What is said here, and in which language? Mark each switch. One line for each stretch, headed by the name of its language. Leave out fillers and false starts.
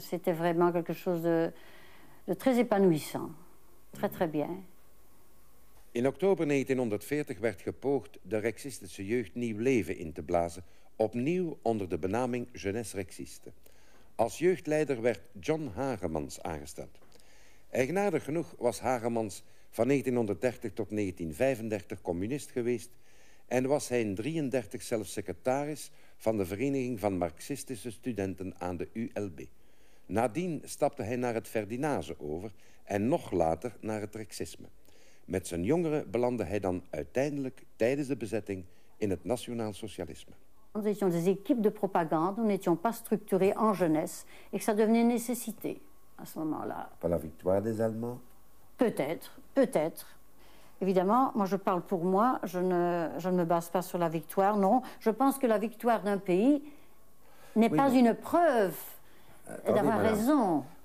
French: C'était vraiment quelque chose de très épanouissant. Très, très bien.
Dutch: In oktober 1940 werd gepoogd de rexistische jeugd nieuw leven in te blazen, opnieuw onder de benaming Jeunesse Rexiste. Als jeugdleider werd John Hagemans aangesteld. Eigenaardig genoeg was Hagemans van 1930 tot 1935 communist geweest en was hij in 1933 zelfs secretaris van de Vereniging van Marxistische Studenten aan de ULB. Nadien stapte hij naar het Verdinase over en nog later naar het Rexisme. Met zijn jongeren belandde hij dan uiteindelijk tijdens de bezetting in het Nationaal Socialisme.
French: Nous étions des équipes de propagande, nous n'étions pas structurés en jeunesse et que ça devenait une nécessité à ce moment-là. Pour la victoire des Allemands? Peut-être, peut-être. Évidemment, moi je parle pour moi, je ne me base pas sur la victoire, non. Je pense que la victoire d'un pays n'est pas une preuve d'avoir raison.